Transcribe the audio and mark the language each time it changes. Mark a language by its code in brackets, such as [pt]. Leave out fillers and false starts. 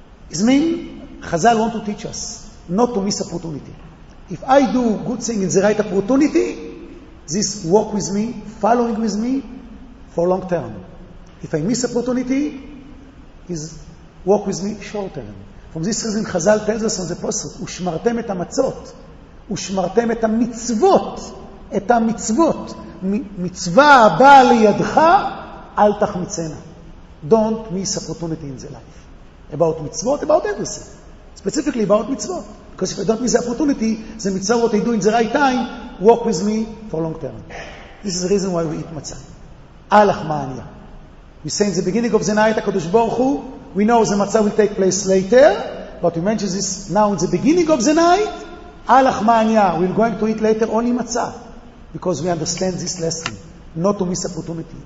[en] It means, Chazal want to teach us not to miss opportunity. If I do good thing in the right opportunity, this walk with me, following with me, for long term. If I miss opportunity, is walk with me short term. From this reason, Chazal tells us on the pasuk, [he] ושמרתם את המצות, ושמרתם את המצוות, את המצוות, מצווה הבאה לידך, אל תחמיצנה. [en] Don't miss opportunity in the life. About מצוות, about everything. Specifically about מצוות. Because if I don't miss opportunity, זה מצווה what I do in the right time, walk with me for long term. This is the reason why we eat matzah. הלך מעניה. We say in the beginning of the night, HaKadosh Baruch Hu, we know the matzah will take place later, but we mention this now in the beginning of the night, הלך מעניה, we're going to eat later only matzah, because we understand this lesson, not to miss opportunity.